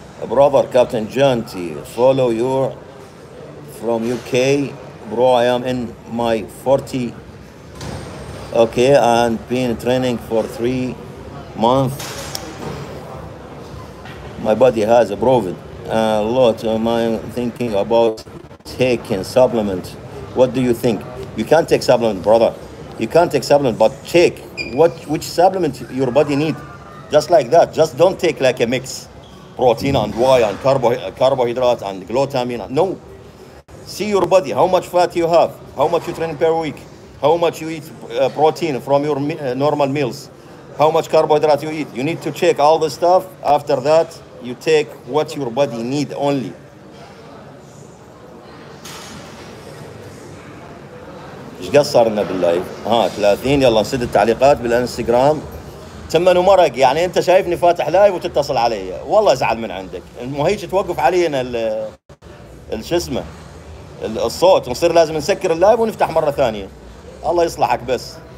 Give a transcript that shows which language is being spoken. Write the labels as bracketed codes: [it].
[en] Brother captain جانتي follow you from U K bro, I am in my 40 okay and been training for 3 month, my body has improved lot of my thinking about taking supplement. What do you think? You can't take supplement, brother. You can't take supplement, but check which supplement your body need. Just like that. Just don't take like a mix. Protein and whey and carbohydrates and glutamine. No. See your body. How much fat you have? How much you train per week? How much you eat protein from your normal meals? How much carbohydrates you eat? You need to check all the stuff. After that, you take what your body need only. [ar] ايش قصرنا باللايف؟ ها 30، يلا نسد التعليقات بالانستغرام. تم نمرق، يعني انت شايفني فاتح لايف وتتصل علي، والله ازعل من عندك، مو هيك توقف علينا شو اسمه الصوت، نصير لازم نسكر اللايف ونفتح مره ثانيه. الله يصلحك بس.